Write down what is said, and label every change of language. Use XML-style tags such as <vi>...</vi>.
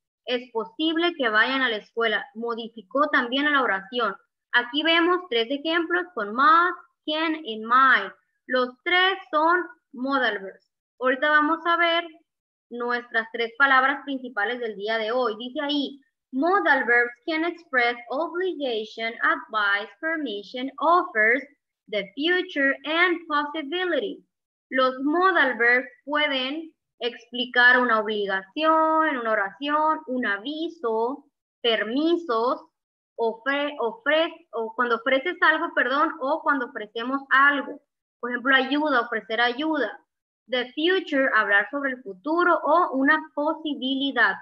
<es>Es posible que vayan a la escuela. Modificó también la oración. Aquí vemos tres ejemplos con must, can y might. Los tres son modal verbs. Ahorita vamos a ver nuestras tres palabras principales del día de hoy. Dice ahí.</es> <en>Modal verbs can express obligation, advice, permission, offers, the future, and possibility.</en> <es>Los modal verbs pueden explicar una obligación, una oración, un aviso, permisos, o cuando ofrecemos algo. Por ejemplo, ayuda, ofrecer ayuda. The future, hablar sobre el futuro o una posibilidad.</es>